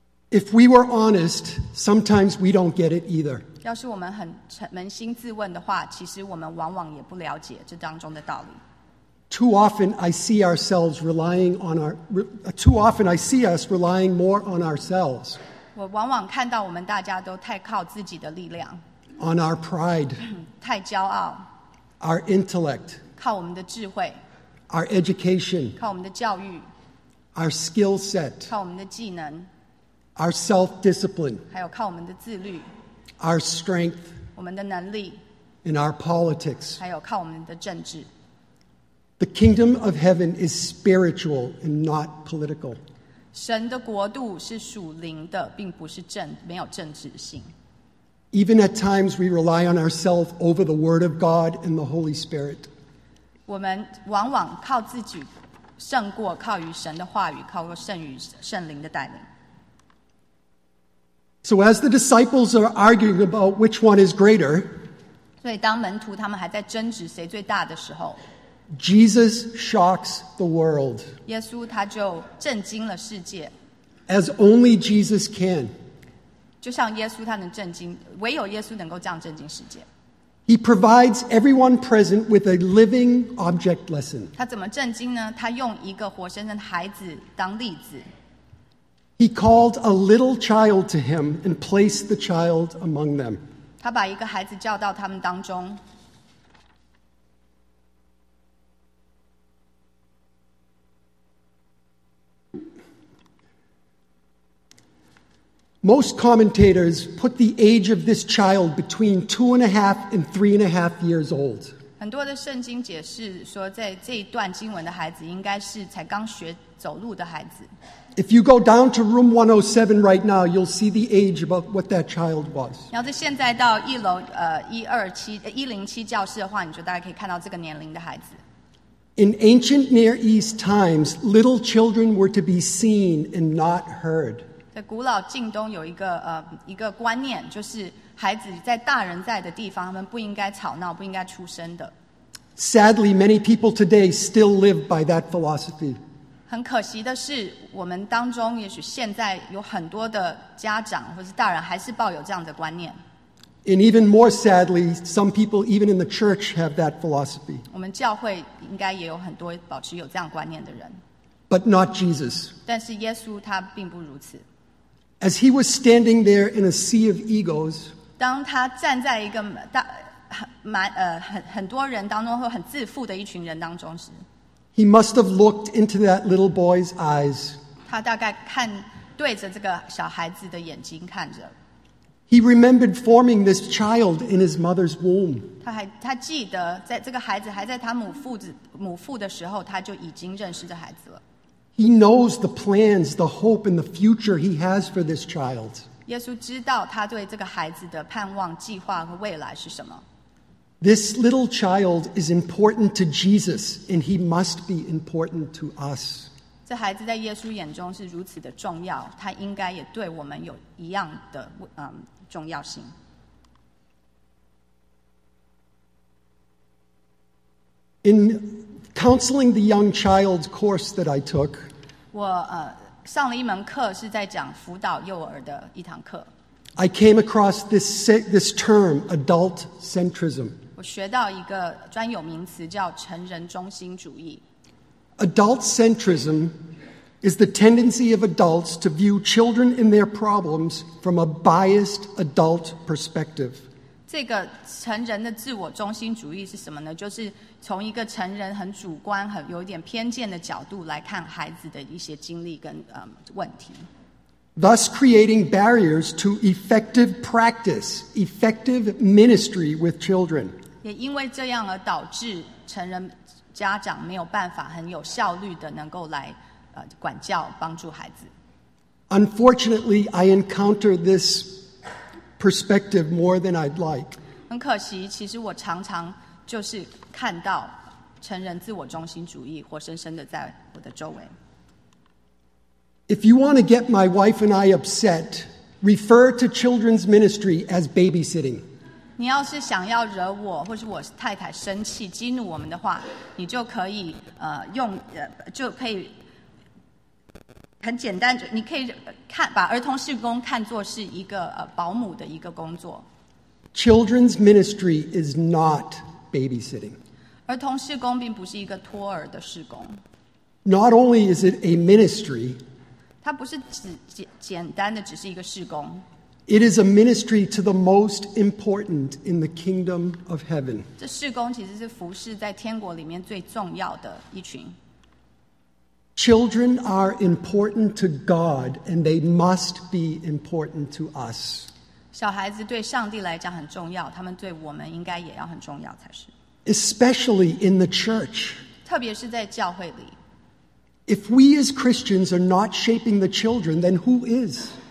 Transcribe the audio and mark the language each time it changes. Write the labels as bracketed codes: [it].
[en] If we were honest, sometimes we don't get it either. [zh] 要是我们很扪心自问的话，其实我们往往也不了解这当中的道理。 [en] Too often I see ourselves relying on us relying more on ourselves. [zh] 我往往看到我们大家都太靠自己的力量。 [en] On our pride. [zh] 太骄傲。 [en] Our intellect. [zh] 靠我们的智慧。 [en] Our education. [zh] 靠我们的教育。 [en] Our skill set. [zh] 靠我们的技能。 [en] Our self-discipline. [zh] 还有靠我们的自律。 [en] Our strength. [zh] 我们的能力。 [en] And our politics. [zh] 还有靠我们的政治。 [en] The kingdom of heaven is spiritual and not political. [zh] 神的国度是属灵的，并不是政，没有政治性。 [en] Even at times we rely on ourselves over the word of God and the Holy Spirit. [zh] 我们往往靠自己胜过靠于神的话语，靠过胜于圣灵的带领。 [en] So as the disciples are arguing about which one is greater, [zh] 所以当门徒他们还在争执谁最大的时候， [en] Jesus shocks the world. [zh] 耶稣他就震惊了世界。 [en] As only Jesus can. [zh] 就像耶稣他能震惊，唯有耶稣能够这样震惊世界。 [en] He provides everyone present with a living object lesson. [zh] 他怎么震惊呢？他用一个活生生的孩子当例子。 [en] He called a little child to him and placed the child among them. [zh] 他把一个孩子叫到他们当中。 [en] Most commentators put the age of this child between 2.5 and 3.5 years old. [zh] 很多的圣经解释说，在这一段经文的孩子应该是才刚学走路的孩子。 [en] If you go down to room 107 right now, you'll see the age about what that child was. [zh] 要是现在到一楼107教室的话，你就大概可以看到这个年龄的孩子。 [en] In ancient Near East times, little children were to be seen and not heard. [zh] 在古老近东有一个观念，就是孩子在大人在的地方，他们不应该吵闹，不应该出声的。 [en] Sadly, many people today still live by that philosophy. [zh] 很可惜的是，我们当中也许现在有很多的家长或是大人还是抱有这样的观念。 [en] And even more sadly, some people even in the church have that philosophy. [zh] 我们教会应该也有很多保持有这样观念的人。 [en] But not Jesus. [zh] 但是耶稣他并不如此。 [en] As he was standing there in a sea of egos, [zh] 当他站在一个大满很多人当中或很自负的一群人当中时， [en] he must have looked into that little boy's eyes. [zh] 他大概看对着这个小孩子的眼睛看着。 [en] He remembered forming this child in his mother's womb. [zh] 他记得在这个孩子还在他母腹的时候，他就已经认识这孩子了。 [en] He knows the plans, the hope, and the future he has for this child. [zh] 耶稣知道他对这个孩子的盼望、计划和未来是什么。 [en] This little child is important to Jesus, and he must be important to us. [zh] 这孩子在耶稣眼中是如此的重要，他应该也对我们有一样的重要性。 [en] In Counseling the young child course that I took. [zh] 我上了一门课，是在讲辅导幼儿的一堂课。 [en] I came across this term, adult centrism. [zh] 我学到一个专有名词叫成人中心主义。 [en] Adult centrism is the tendency of adults to view children and their problems from a biased adult perspective. [zh] 这个成人的自我中心主义是什么呢？就是从一个成人很主观、很有点偏见的角度来看孩子的一些经历跟问题。 [en] Thus creating barriers to effective practice, effective ministry with children. [zh] 也因为这样而导致成人家长没有办法很有效率的能够来管教、帮助孩子。 [en] Unfortunately, I encounter this perspective more than I'd like. [zh] 很可惜，其实我常常就是看到成人自我中心主义活生生的在我的周围。 [en] If you want to get my wife and I upset, refer to children's ministry as babysitting. [zh] 你要是想要惹我或是我太太生气激怒我们的话，你就可以就可以很简单，你可以看把儿童事工看作是一个保姆的一个工作。 [en] Children's ministry is not babysitting. [zh] 儿童事工并不是一个托儿的事工。 [en] Not only is it a ministry, [zh] 它不是简单的只是一个事工。 [en] It is a ministry to the most important in the kingdom of heaven. [zh] 这事工其实是服侍在天国里面最重要的一群。 [en] Children are important to God, and they must be important to us. [zh] 小孩子对上帝来讲很重要，他们对我们应该也要很重要才是。 [en] Especially in the church. [zh] 特别是在教会里。 [en] If we as Christians are not shaping the children, then who is?